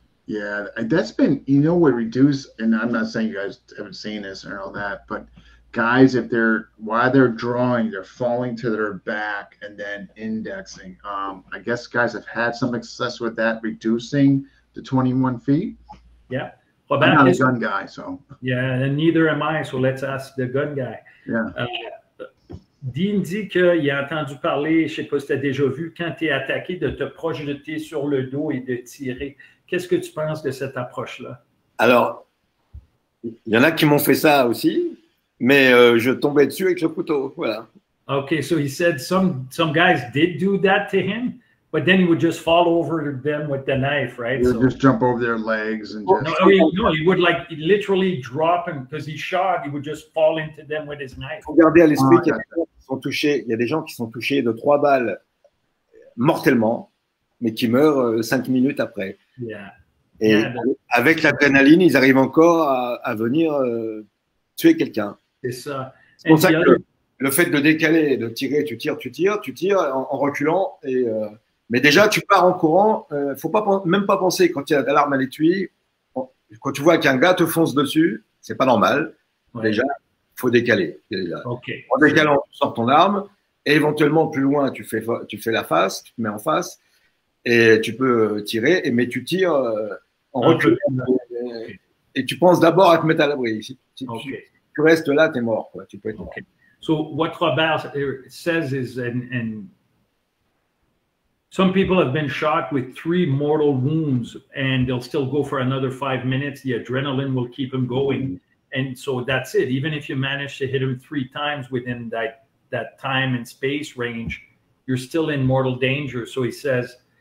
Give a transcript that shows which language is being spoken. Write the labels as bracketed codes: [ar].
[en] Yeah, that's been, you know, what reduced, and I'm not saying you guys haven't seen this or all that, but guys, if they're, while they're drawing, they're falling to their back and then indexing. I guess guys have had some success with that, reducing the 21 feet. Yeah. Well, I'm not a gun guy, so. Yeah, and neither am I, so let's ask the gun guy. Yeah. [fr] Dean dit qu'il a entendu parler, je sais pas si t'as déjà vu, quand t'es attaqué, de te projeter sur le dos et de tirer. Qu'est-ce que tu penses de cette approche-là? Alors, il y en a qui m'ont fait ça aussi, mais je tombais dessus avec le couteau, voilà. [en] Okay, so he said some guys did do that to him, but then he would just fall over them with the knife, right? He would just jump over their legs and just... No, he would like literally drop him because he shot, he would just fall into them with his knife. [fr] Regardez à l'esprit qu'il y a des gens qui sont touchés, il y a des gens qui sont touchés de 3 balles mortellement, mais qui meurent 5 minutes après. [en] Yeah. [fr] Et [en] yeah, [fr] avec l'adrénaline, ils arrivent encore à venir tuer quelqu'un. C'est ça. C'est pour ça que le fait de décaler, de tirer, tu tires en reculant. Et, mais déjà, tu pars en courant. Faut pas, même pas penser quand il y a l'arme à l'étui. Quand tu vois qu'un gars te fonce dessus, c'est pas normal. Ouais. Déjà, faut décaler. [en] Okay. [fr] En décalant, tu sors ton arme. Et éventuellement, plus loin, tu fais la face, tu te mets en face. Et tu peux tirer, mais tu tires en reculant. Et tu penses d'abord à te mettre à l'abri. Si tu restes là, tu es mort. Quoi. Tu peux être mort. [en] So what Robert says is, and some people have been shot with 3 mortal wounds and they'll still go for another 5 minutes. The adrenaline will keep them going. And so that's it. Even if you manage to hit them 3 times within that time and space range, you're still in mortal danger. So he says...